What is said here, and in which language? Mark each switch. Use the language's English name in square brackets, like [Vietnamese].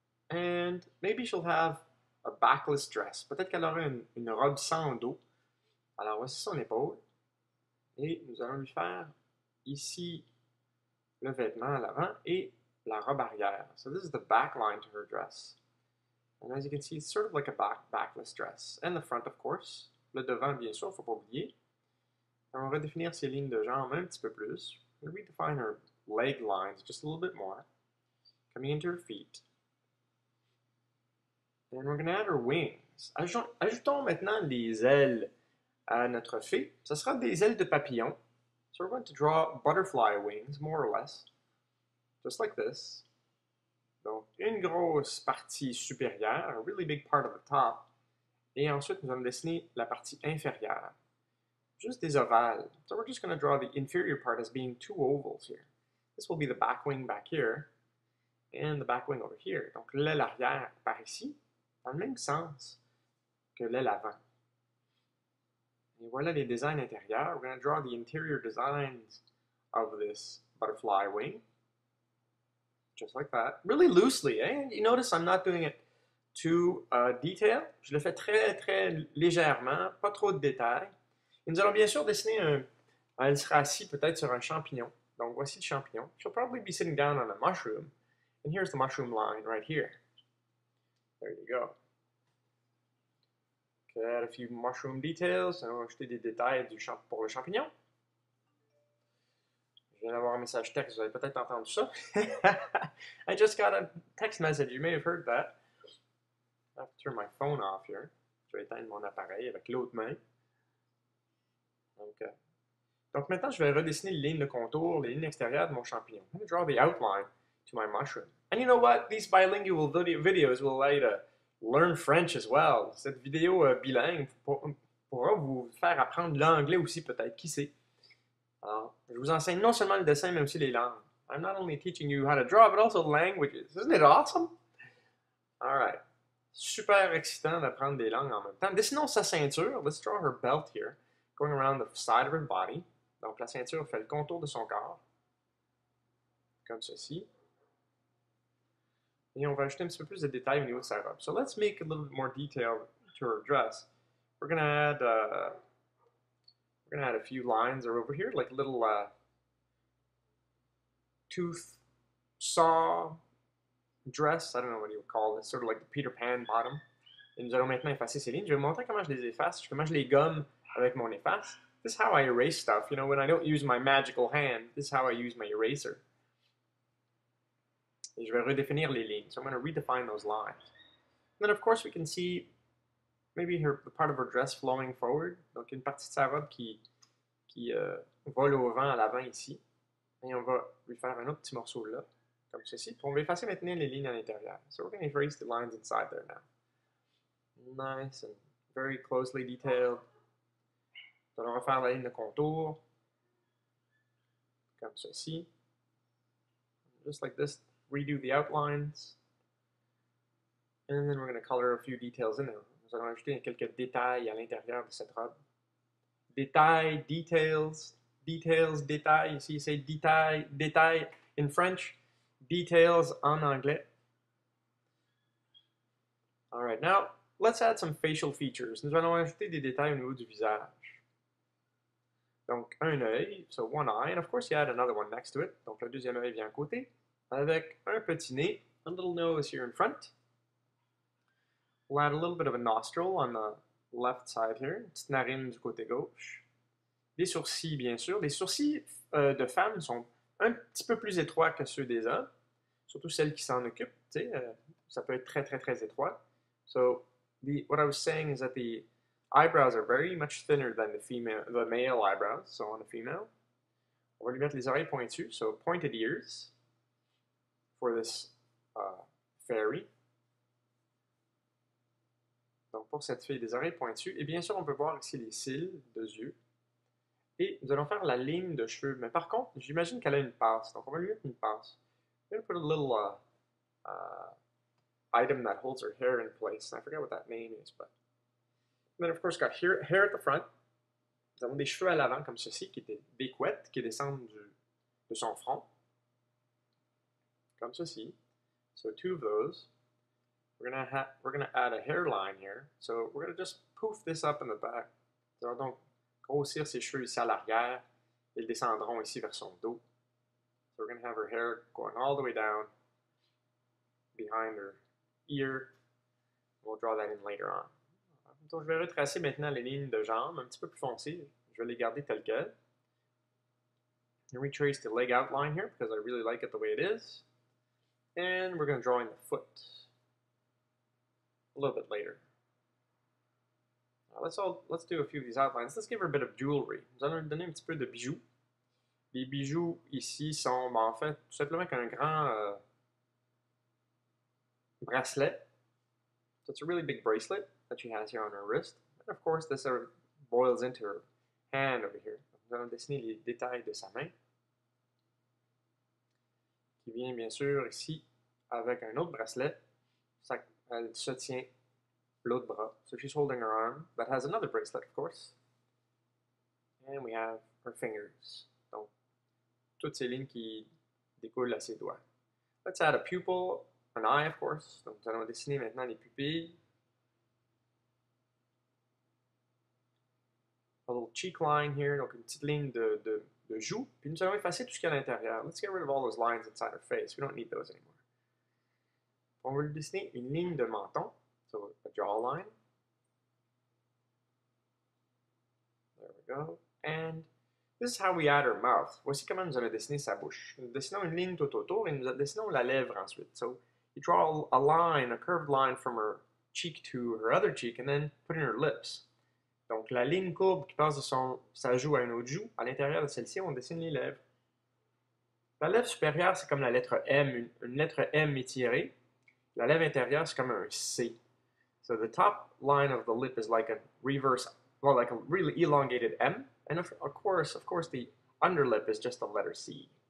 [English] And maybe she'll have a backless dress. [French] Peut-être qu'elle aura une robe sans dos. Alors voici son épaule. Et nous allons lui faire ici le vêtement à l'avant et la robe arrière. [English] So this is the back line to her dress. And as you can see, it's sort of like a backless dress. And the front, of course. [French] Le devant, bien sûr, il ne faut pas oublier. On va redéfinir ses lignes de jambes un petit peu plus. [English] We'll redefine her leg lines just a little bit more. Coming into her feet. And we're going to add her wings. [French] Ajoutons maintenant les ailes à notre fée. Ce sera des ailes de papillon. [English] So we're going to draw butterfly wings, more or less. Just like this. [French] Donc, une grosse partie supérieure, [English] a really big part of the top. [French] Et ensuite, nous allons dessiner la partie inférieure. Juste des ovales. [English] So we're just going to draw the inferior part as being two ovals here. This will be the back wing back here. And the back wing over here. [French] Donc l'aile arrière par ici, dans le même sens que l'aile avant. Et voilà les designs intérieurs. [English] We're going to draw the interior designs of this butterfly wing. Just like that. Really loosely, eh? You notice I'm not doing it to detail. [French] Je le fais très, très légèrement, pas trop de détails. Et nous allons bien sûr dessiner Elle sera assise peut-être sur un champignon. Donc voici le champignon. [English] She'll probably be sitting down on a mushroom. And here's the mushroom line right here. There you go. Okay, add a few mushroom details. [French] On va ajouter des détails pour le champignon. Je viens d'avoir un message texte, vous avez peut-être entendu ça. [English] I just got a text message, you may have heard that. I have to turn my phone off here. [French] Je vais éteindre mon appareil avec l'autre main. Okay. Donc maintenant, je vais redessiner les lignes de contour, les lignes extérieures de mon champignon. [English] I'm going to draw the outline to my mushroom. And you know what? These bilingual videos will allow you to learn French as well. [French] Cette vidéo bilingue pourra vous faire apprendre l'anglais aussi peut-être, qui sait? Alors, je vous enseigne non seulement le dessin, mais aussi les langues. [English] I'm not only teaching you how to draw, but also languages. Isn't it awesome? All right. [French] Super excitant d'apprendre des langues en même temps. Dessinons sa ceinture. [English] Let's draw her belt here. Going around the side of her body. [French] Donc, la ceinture fait le contour de son corps. Comme ceci. Et on va ajouter un petit peu plus de détails au niveau de sa robe. [English] So, let's make a little bit more detail to her dress. We're going to add... We're gonna add a few lines over here, like a little tooth saw dress. I don't know what you would call it. Sort of like the Peter Pan bottom. [French] Et nous allons maintenant effacer ces lignes. Je vais vous montrer comment je les efface, comment je les gomme avec mon efface. [English] This is how I erase stuff, you know, when I don't use my magical hand. This is how I use my eraser. [French] Et je vais redéfinir les lignes. [English] So I'm gonna redefine those lines. And then of course we can see maybe her, the part of her dress flowing forward. [French] Donc, une partie de sa robe qui vole au vent à l'avant ici. Et on va lui faire un autre petit morceau là, comme ceci. Puis on va effacer maintenant les lignes à l'intérieur. [English] So, we're going to erase the lines inside there now. Nice and very closely detailed. [French] On va refaire la ligne de contour, comme ceci. [English] Just like this, redo the outlines. And then we're going to color a few details in there. [French] Nous allons ajouter quelques détails à l'intérieur de cette robe. Détails, details, details, détails. Ici, c'est détails, détails [English] in French, [French] details en anglais. [English] All right, now, let's add some facial features. [French] Nous allons ajouter des détails au niveau du visage. Donc, un œil, [English] so one eye, and of course, you add another one next to it. [French] Donc, le deuxième œil vient à côté, avec un petit nez, [English] a little nose here in front. We'll add a little bit of a nostril on the left side here. [French] Une petite narine du côté gauche. Des sourcils, bien sûr. Les sourcils de femmes sont un petit peu plus étroits que ceux des hommes. Surtout celles qui s'en occupent. Ça peut être très, très, très étroit. [English] So, the, what I was saying is that the eyebrows are very much thinner than the male eyebrows. So, on the female. [French] On va lui mettre les oreilles pointues. [English] So, pointed ears for this fairy. [French] Donc, pour cette fille, des oreilles pointues. Et bien sûr, on peut voir ici les cils, deux yeux. Et nous allons faire la ligne de cheveux. Mais par contre, j'imagine qu'elle a une passe. Donc, on va lui mettre une passe. [English] We're going to put a little item that holds her hair in place. And I forget what that name is, but... And then, of course, got hair at the front. [French] Nous avons des cheveux à l'avant, comme ceci, qui étaient des couettes, qui descendent de son front. Comme ceci. [English] So, two of those. We're gonna add a hairline here. So we're gonna just poof this up in the back. [French] Nous allons donc grossir ses cheveux ici à l'arrière. Ils descendront ici vers son dos. [English] So we're gonna have her hair going all the way down behind her ear. We'll draw that in later on. [French] Donc je vais retracer maintenant les lignes de jambes un petit peu plus foncées. Je vais les garder telles quelles. [English] And retrace the leg outline here because I really like it the way it is. And we're gonna draw in the foot. A little bit later. Now let's do a few of these outlines. Let's give her a bit of jewelry. [French] Nous allons lui donner un petit peu de bijoux. Les bijoux ici sont, ben, en fait, tout simplement qu'un grand bracelet. [English] So it's a really big bracelet that she has here on her wrist. And of course, this sort of boils into her hand over here. [French] Nous allons dessiner les détails de sa main. Qui vient, bien sûr, ici, avec un autre bracelet. Ça, elle se tient l'autre bras. [English] So she's holding her arm. That has another bracelet, of course. And we have her fingers. [French] Donc, toutes ces lignes qui découlent à ses doigts. [English] Let's add a pupil, an eye, of course. [French] Donc, nous allons dessiner maintenant les pupilles. [English] A little cheek line here, [French] donc une petite ligne de joue. Puis nous allons effacer tout ce qu'il y a à l'intérieur. [English] Let's get rid of all those lines inside her face. We don't need those anymore. [French] On va lui dessiner une ligne de menton. [English] So, a jawline. There we go. And this is how we add her mouth. [French] Voici comment nous allons dessiner sa bouche. Nous dessinons une ligne tout autour et nous dessinons la lèvre ensuite. [English] So, you draw a line, a curved line from her cheek to her other cheek and then put in her lips. [French] Donc, la ligne courbe qui passe de sa joue à une autre joue, à l'intérieur de celle-ci, on dessine les lèvres. La lèvre supérieure, c'est comme la lettre M, une lettre M étirée. La lèvre intérieure, c'est comme un C. [English] So, the top line of the lip is like a reverse, well, like a really elongated M. And of course, the underlip is just the letter C.